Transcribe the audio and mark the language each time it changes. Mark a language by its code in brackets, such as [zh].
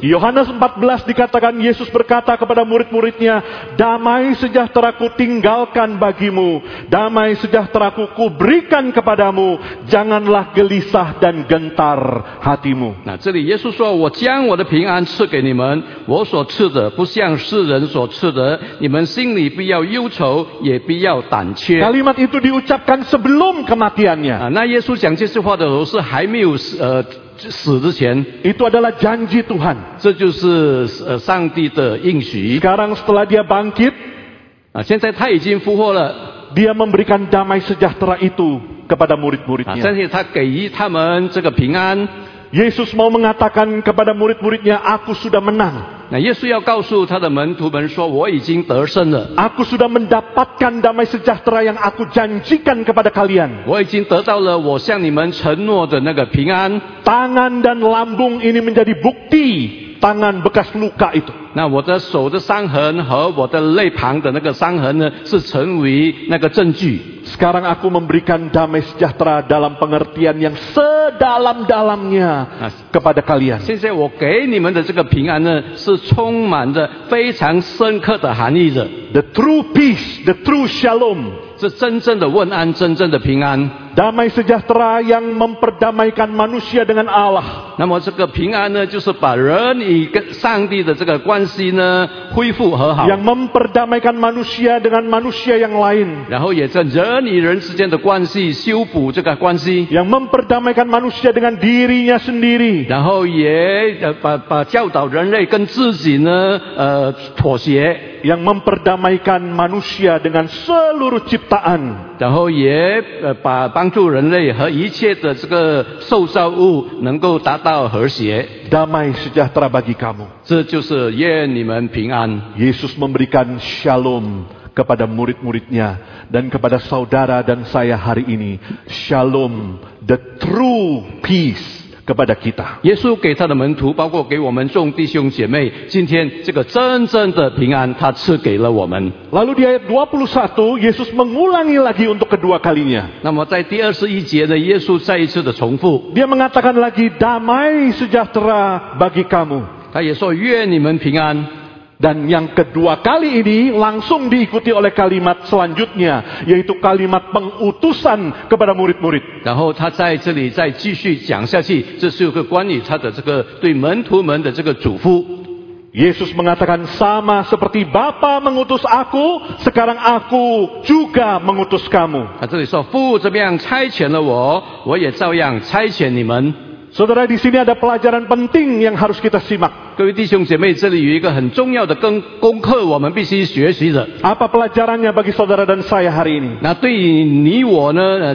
[id] Yohanes 14 dikatakan Yesus berkata kepada murid-muridnya, "Damai sejahtera ku tinggalkan bagimu, damai sejahtera ku berikan kepadamu, janganlah gelisah dan gentar hatimu." [zh] 那这里耶稣说，我将我的平安赐给你们，我所赐的不像世人所赐的，你们心里不要忧愁，也不要胆怯。 [id] Kalimat itu diucapkan sebelum kematiannya. [zh] 那耶稣讲这句话的时候是还没有死之前。 [id] Itu adalah janji Tuhan. [zh] 这就是上帝的应许。 [id] Sekarang setelah dia bangkit, [zh] 现在他已经复活了。 [id] Dia memberikan damai sejahtera itu kepada murid-muridnya. [zh] 现在他给他们这个平安。 [id] Yesus mau mengatakan kepada murid-muridnya, aku sudah menang. [zh] 那耶稣要告诉他的门徒们说，我已经得胜了。 [id] Aku sudah mendapatkan damai sejahtera yang aku janjikan kepada kalian. [zh] 我已经得到了我向你们承诺的那个平安。 [id] Tangan dan lambung ini menjadi bukti tangan bekas luka itu. [zh] 那我的手的伤痕和我的肋旁的那个伤痕呢，是成为那个证据。 [id] Sekarang aku memberikan damai sejahtera dalam pengertian yang sedalam-dalamnya kepada kalian. [zh] 现在我给你们的这个平安呢，是充满着非常深刻的含义的。 [en] The true peace, the true shalom. [zh] 是真正的问安，真正的平安。 [id] Damai sejahtera yang memperdamaikan manusia dengan Allah. [zh] 那么这个平安呢，就是把人与上帝的这个关系呢恢复和好。 [id] Yang memperdamaikan manusia dengan manusia yang lain. [zh] 然后也在人与人之间的关系修补这个关系。 [id] Yang memperdamaikan manusia dengan dirinya sendiri. [zh] 然后也把教导人类跟自己呢妥协。 [id] Yang memperdamaikan manusia dengan seluruh ciptaan. [zh] 然后也把帮助人类和一切的这个受造物能够达到和谐。 [id] Damai sejahtera bagi kamu. [zh] 这就是愿你们平安。 [id] Yesus memberikan shalom kepada murid-muridnya dan kepada saudara dan saya hari ini. [en] Shalom, the true peace. [id] Kepada kita. [zh] 耶稣给他的门徒，包括给我们众弟兄姐妹，今天这个真正的平安，他赐给了我们。 [id] Lalu di ayat 21, Yesus mengulangi lagi untuk kedua kalinya. [zh] 那么在第21节呢，耶稣再一次的重复。 [id] Dia mengatakan lagi, damai sejahtera bagi kamu. [zh] 他也说，愿你们平安。 [id] Dan yang kedua kali ini langsung diikuti oleh kalimat selanjutnya, yaitu kalimat pengutusan kepada murid-murid. [zh] 然后他在这里再继续讲下去，这是一个关于他的这个对门徒们的这个嘱咐。 [id] Yesus mengatakan sama seperti Bapa mengutus aku, sekarang aku juga mengutus kamu. [zh] 他这里说，父怎么样差遣了我，我也照样差遣你们。 [id] Saudara, di sini ada pelajaran penting yang harus kita simak. [zh] 各位弟兄姐妹，这里有一个很重要的功课，我们必须学习的。 [id] Apa pelajarannya bagi saudara dan saya hari ini? [zh] 那对于你我呢？